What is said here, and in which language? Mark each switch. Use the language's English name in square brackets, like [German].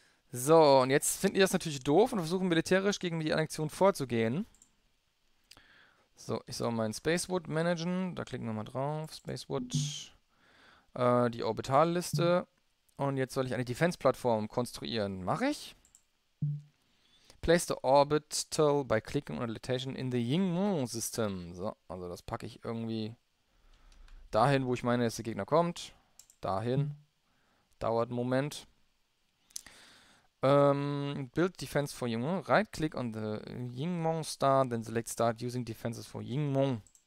[German] So, und jetzt finden die das natürlich doof und versuchen militärisch gegen die Annexion vorzugehen. So, ich soll meinen Spacewood managen. Da klicken wir mal drauf. Spacewood. Die Orbitalliste. Und jetzt soll ich eine Defense-Plattform konstruieren. Mache ich. [English] Place the orbital by clicking on a location in the Yingmong System. [German] So, also das packe ich irgendwie dahin, wo ich meine, dass der Gegner kommt. Dahin. Dauert einen Moment. [English] Build Defense for Yingmong. Right-click on the Yingmong Star, then select start using defenses for Yingmong.